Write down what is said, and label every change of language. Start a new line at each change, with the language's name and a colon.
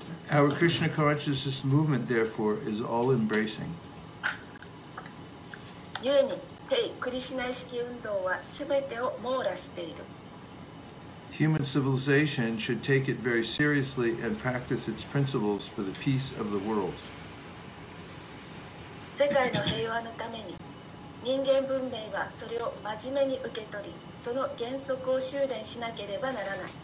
English: Our Krishna consciousness movement therefore is all embracing.
Japanese: 故に、ヘイ、クリシナ意識運動は全てを網羅している。
English: Human civilization should take it very seriously and practice its principles for the peace of the world.
Japanese: 世界の平和のために、人間文明はそれを真面目に受け取り、その原則を修練しなければならない。